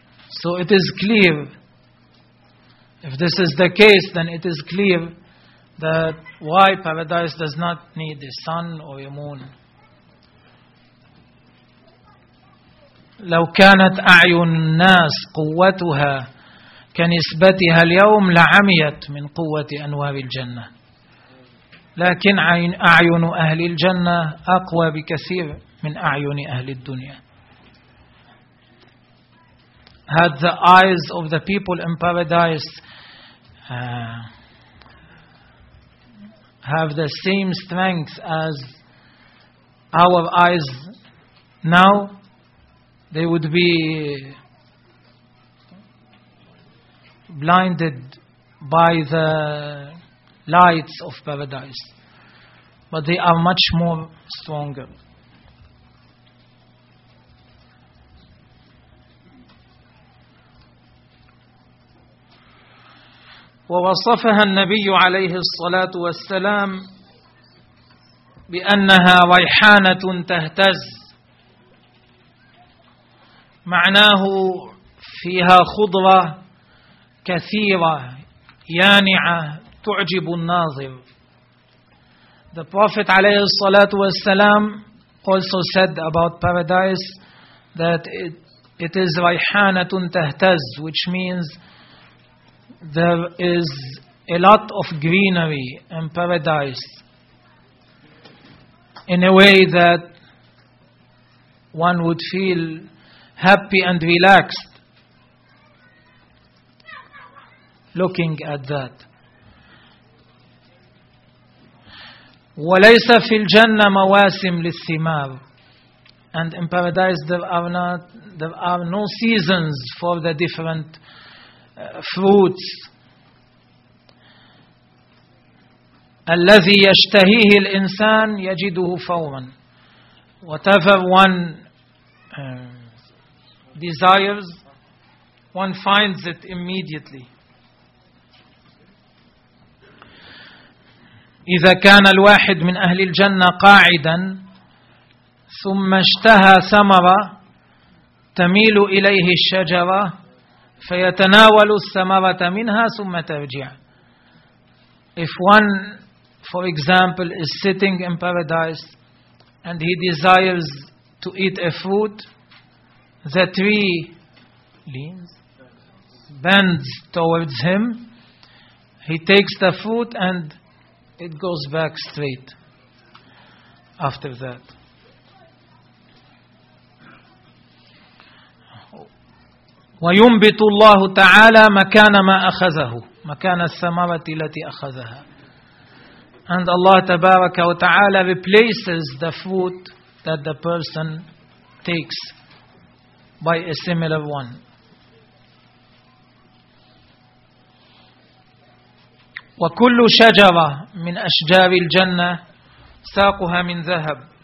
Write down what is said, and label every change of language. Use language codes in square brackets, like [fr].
[en] So it is clear, if this is the case, then it is clear that why paradise does not need a sun or a moon. [ar] لو كانت أعين الناس قوتها كنسبتها اليوم لعميت من قوة أنوار الجنة لكن أعين أهل الجنة أقوى بكثير من أعين أهل الدنيا. [en] Had the eyes of the people in paradise have the same strength as our eyes now, they would be blinded by the lights of paradise. But they are much more stronger. [ar] ووصفها النبي عليه الصلاة والسلام بأنها ريحانة تهتز، معناه فيها خضرة كثيرة يانعة تعجب الناظر. [en] The Prophet [ar] عليه الصلاة والسلام [en] also said about paradise that it is [ar] ريحانة تهتز, [en] which means there is a lot of greenery in paradise in a way that one would feel happy and relaxed looking at that. [ar] وليس في الجنة مواسم للثمار, [en] and in paradise there are no seasons for the different fruits. [ar] الذي يشتهيه الإنسان يجده فورا. [en] Whatever one desires, one finds it immediately. [ar] إذا كان الواحد من أهل الجنة قاعدا ثم اشتهى ثمرة تميل إليه الشجرة فيتناول الثمرة منها ثم ترجع. [en] If one, for example, is sitting in paradise and he desires to eat a fruit, the tree leans, bends towards him, he takes the fruit and it goes back straight after that. [ar] وينبت الله تعالى مكان ما أخذه, مكان الثمرة التي أخذها. [en] And Allah [ar] تبارك وتعالى [en] replaces the fruit that the person takes by a similar one. [ar] وكل شجرة من أشجار الجنة ساقها من ذهب.